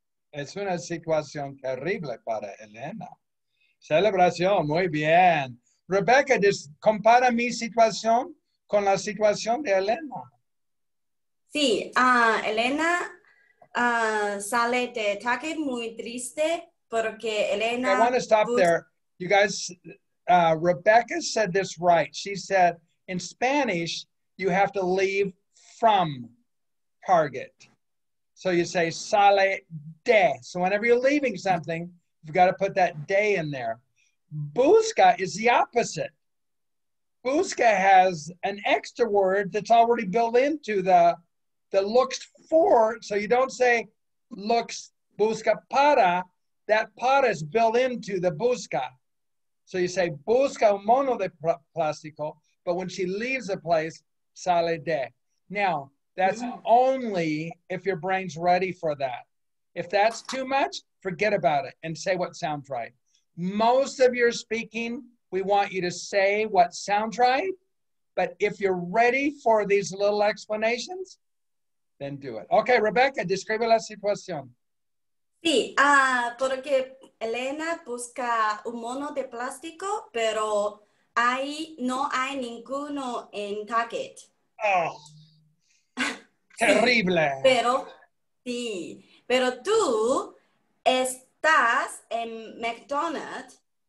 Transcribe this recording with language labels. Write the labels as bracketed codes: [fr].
[es] Es una situación terrible para Elena. Celebración, muy bien. Rebecca, compara mi situación con la situación de Elena. Sí, Elena sale de Target muy triste porque Elena... [en] I want to stop there. You guys, Rebecca said this right. She said, in Spanish, you have to leave from Target. So you say [es] sale de. [en] So whenever you're leaving something, you've got to put that de in there. Busca is the opposite. Busca has an extra word that's already built into the looks for. So you don't say looks busca para. That para is built into the busca. So you say [es] busca un mono de plástico. [en] But when she leaves a place, [es] sale de. [en] Now, that's only if your brain's ready for that. If that's too much, forget about it and say what sounds right. Most of your speaking, we want you to say what sounds right. But if you're ready for these little explanations, then do it. [es] Okay, Rebecca, describe la situación. Sí, porque Elena busca un mono de plástico, pero hay, no hay ninguno en Target. Oh. Terrible. Pero, sí, pero tú estás en McDonald's.